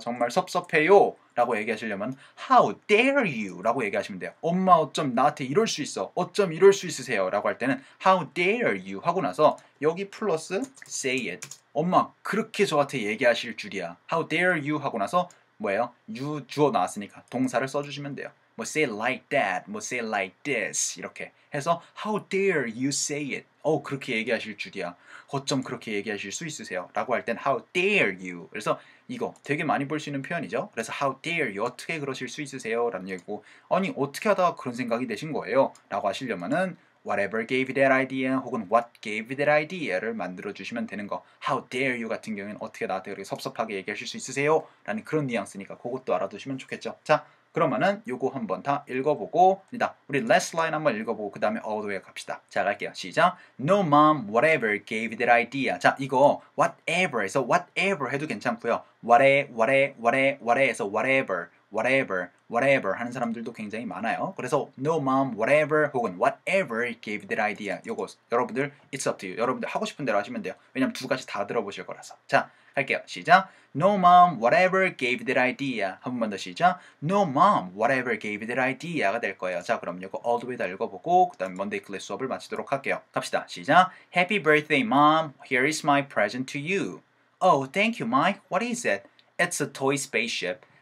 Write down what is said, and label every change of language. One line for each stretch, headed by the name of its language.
Korean: 정말 섭섭해요. 라고 얘기하시려면
English: How dare you?
Korean: 라고 얘기하시면 돼요. 엄마 어쩜 나한테 이럴 수 있어? 어쩜 이럴 수 있으세요? 라고 할 때는
English: How dare you?
Korean: 하고 나서 여기 플러스
English: Say it.
Korean: 엄마, 그렇게 저한테 얘기하실 줄이야.
English: How dare you?
Korean: 하고 나서 뭐예요? you 주어 나왔으니까 동사를 써주시면 돼요.
English: 뭐 say like that, 뭐 say like this
Korean: 이렇게 해서
English: how dare you say it?
Korean: 그렇게 얘기하실 줄이야. 어쩜 그렇게 얘기하실 수 있으세요? 라고 할 땐
English: how dare you?
Korean: 그래서 이거 되게 많이 볼 수 있는 표현이죠. 그래서
English: how dare you?
Korean: 어떻게 그러실 수 있으세요? 라는 얘기고 아니 어떻게 하다가 그런 생각이 되신 거예요? 라고 하시려면은
English: whatever gave that idea
Korean: 혹은
English: what gave that idea
Korean: 를 만들어주시면 되는 거.
English: How dare you
Korean: 같은 경우에는 어떻게 나한테 그렇게 섭섭하게 얘기하실 수 있으세요? 라는 그런 뉘앙스니까 그것도 알아두시면 좋겠죠. 자, 그러면은 요거 한번 다 읽어보고 일단 우리
English: last line
Korean: 한번 읽어보고 그 다음에
English: all the way
Korean: 갑시다. 자, 갈게요. 시작.
English: No mom, whatever gave that idea.
Korean: 자, 이거 whatever에서 whatever 해도 괜찮고요. whatever에서 whatever 하는 사람들도 굉장히 많아요. 그래서
English: no mom, whatever
Korean: 혹은
English: whatever gave that idea.
Korean: 요거 여러분들
English: it's up to you.
Korean: 여러분들 하고 싶은 대로 하시면 돼요. 왜냐면 두 가지 다 들어보실 거라서. 자, 할게요. 시작.
English: No mom, whatever gave that idea.
Korean: 한 번 더 시작.
English: No mom, whatever gave that idea가
Korean: 될 거예요. 자, 그럼 요거
English: all the way
Korean: 다 읽어보고 그 다음에
English: Monday class
Korean: 수업을 마치도록 할게요. 갑시다. 시작.
English: Happy birthday, mom. Here is my present to you. Oh, thank you, Mike. What is it? It's a toy spaceship.